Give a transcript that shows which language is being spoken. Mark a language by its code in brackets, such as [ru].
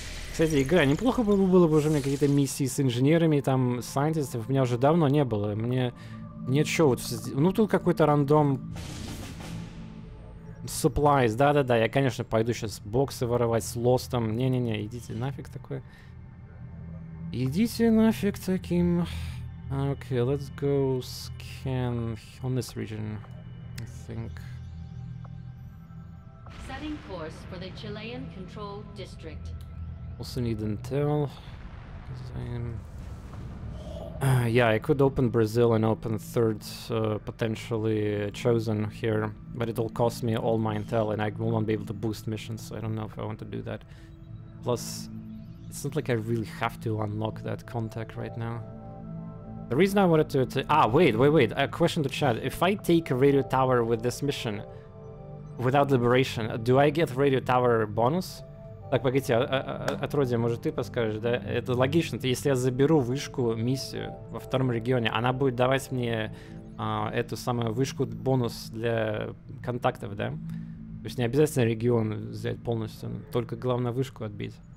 [ru] Кстати, игра, неплохо было бы уже мне какие-то миссии с инженерами, там, сайентистов. У меня уже давно не было. Мне нет чё, вот, ну тут какой-то рандом supplies, да-да-да. Я, конечно, пойду сейчас боксы воровать с лостом. Не-не-не, идите нафиг такое. Идите нафиг таким. [en] Okay, let's go scan on this region. I think. Setting course for the Chilean control district. Also need intel. Yeah, I could open Brazil and open third potentially chosen here, but it'll cost me all my intel and I won't be able to boost missions, so I don't know if I want to do that. Plus, it's not like I really have to unlock that contact right now. The reason I wanted to... Wait, a question to chat. If I take a radio tower with this mission, without liberation, do I get radio tower bonus? [ru] Так, погоди, отродье, может ты подскажешь, да? Это логично, то если я заберу вышку, миссию во втором регионе, она будет давать мне эту самую вышку, бонус для контактов, да? То есть не обязательно регион взять полностью, только главное вышку отбить.